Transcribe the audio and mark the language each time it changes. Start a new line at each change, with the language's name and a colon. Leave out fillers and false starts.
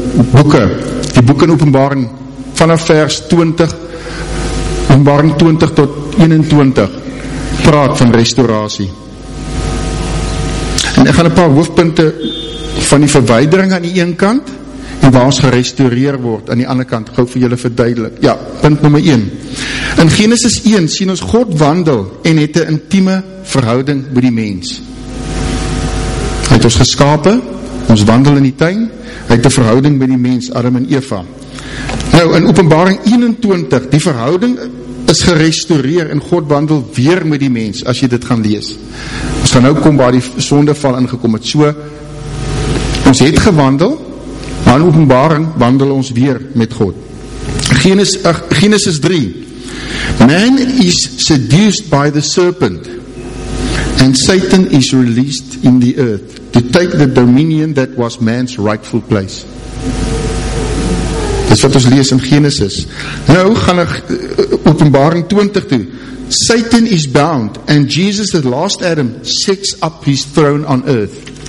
Afrikaans: boeken, die boeken Openbaring vanaf vers 20, Openbaring 20 tot 21, praat van restauratie. En ek gaan een paar hoofpunte van die verwijdering aan die een kant en waar ons gerestaureer word aan die andere kant, gou vir julle verduidelik. Ja, punt nummer 1. In Genesis 1 sien ons God wandel en het 'n intieme verhouding met die mens. Hy het ons geskape, ons wandel in die tuin, hy het 'n verhouding met die mens, Adam en Eva. Nou, in Openbaring 21, die verhouding is gerestoreer en God wandel weer met die mens, as jy dit gaan lees. Ons gaan nou kom waar die sondeval ingekom het. So, ons het gewandel, maar in Openbaring wandel ons weer met God.
English: Genesis 3, man is seduced by the serpent, and Satan is released in the earth to take the dominion that was man's rightful place.
Afrikaans: Dis wat ons lees in Genesis. Nou gaan ek Openbaring 20 toe.
English: Satan is bound and Jesus, the last Adam, sets up his throne on earth.